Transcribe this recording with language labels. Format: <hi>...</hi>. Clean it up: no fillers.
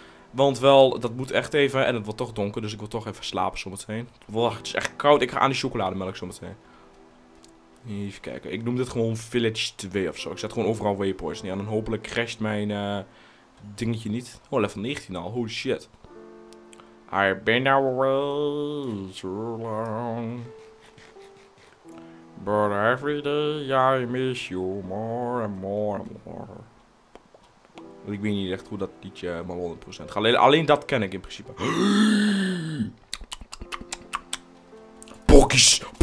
<nl>Want wel, dat moet echt even. En het wordt toch donker, dus ik wil toch even slapen zometeen. Wacht, het is echt koud. Ik ga aan die chocolademelk zometeen. Even kijken, ik noem dit gewoon Village 2 of zo. Ik zet gewoon overal waypoints neer. En dan hopelijk crasht mijn dingetje niet. Oh, level 19 al,</nl> <en>holy shit. I've been there way too long. But every day I miss you more and more and more.</en> <nl>Ik weet niet echt hoe dat liedje maar 100% gaat. Alleen dat ken ik in principe. Pokies.</nl>